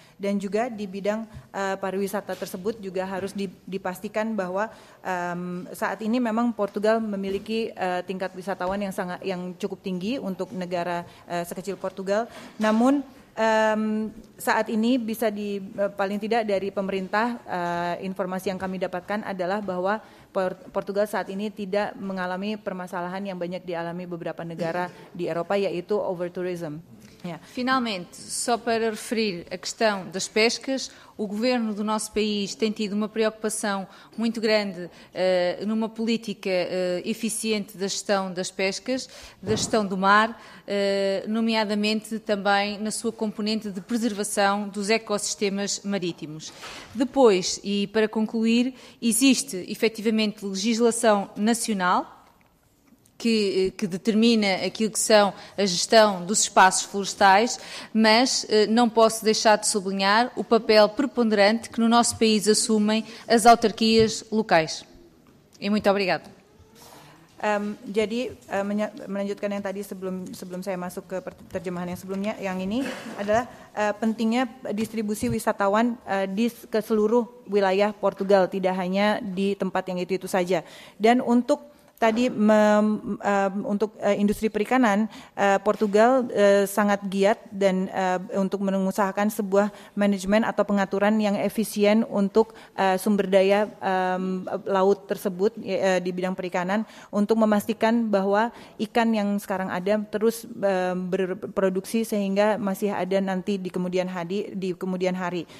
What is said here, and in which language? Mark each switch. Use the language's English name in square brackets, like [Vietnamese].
[Indonesian] Dan juga di bidang pariwisata tersebut juga harus dipastikan bahwa saat ini memang Portugal memiliki tingkat wisatawan yang cukup tinggi untuk negara sekecil Portugal. Namun saat ini bisa paling tidak dari pemerintah, informasi yang kami dapatkan adalah bahwa Portugal saat ini tidak mengalami permasalahan yang banyak dialami beberapa negara di Eropa, yaitu overtourism. [Portuguese] Finalmente, só para referir a questão das pescas, o governo do nosso país tem tido uma preocupação muito grande numa política eficiente da gestão das pescas, da gestão do mar, nomeadamente também na sua componente de preservação dos ecossistemas marítimos. Depois, e para concluir, existe efetivamente legislação nacional que determina aquilo que são a gestão dos espaços florestais, mas não posso deixar de sublinhar o papel preponderante que no nosso país assumem as autarquias locais. E muito obrigado. [Indonesian] Jadi melanjutkan yang tadi sebelum saya masuk ke terjemahan yang sebelumnya, yang ini adalah pentingnya distribusi wisatawan ke seluruh wilayah Portugal, tidak hanya di tempat yang itu saja. Dan untuk tadi untuk industri perikanan, Portugal sangat giat dan untuk mengusahakan sebuah manajemen atau pengaturan yang efisien untuk sumber daya laut tersebut di bidang perikanan, untuk memastikan bahwa ikan yang sekarang ada terus berproduksi sehingga masih ada nanti di kemudian hari.